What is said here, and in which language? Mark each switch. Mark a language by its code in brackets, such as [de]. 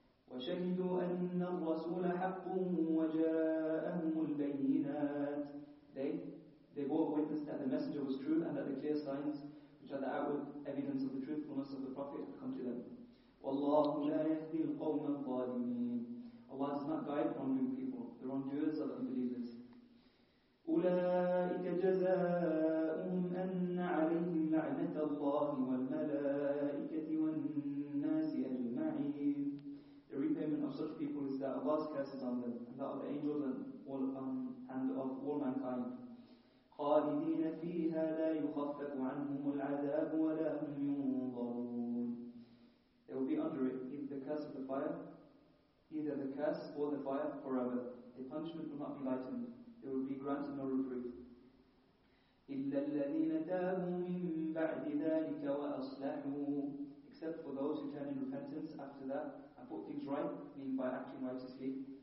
[ar] وَشَهِدُوا أَنَّ الرَّسُولَ حَقٌّ وَجَاءَهُمُ الْبَيِّنَاتِ. [en] They bore witness that the messenger was true and that the clear signs, which are the outward evidence of the truthfulness of the Prophet, have come to them. [ar] وَاللَّهُ لَا يَهْدِي الْقَوْمَ الظَّالِمِينَ. [en] Allah does not guide wrongdoing people, the wrongdoers are the unbelievers. [ar] أولئك جزاؤهم أن عليهم لعنة الله والملائكة والناس أجمعين. [en] The repayment of such people is that Allah's curse is on them, and that of the angels and of all mankind. [ar] خالدين فيها لا يخفف عنهم العذاب ولا هم ينظرون. [en] They will be under it, either the curse of the fire, either the curse or the fire forever. The punishment will not be lightened. There will be granted no reprieve. [ar] إِلَّا الَّذِينَ تَابُوا مِن بَعْدِ ذَلِكَ وَأَصْلَحُوا. [en] Except for those who turn in repentance after that and put things right, meaning by acting righteously.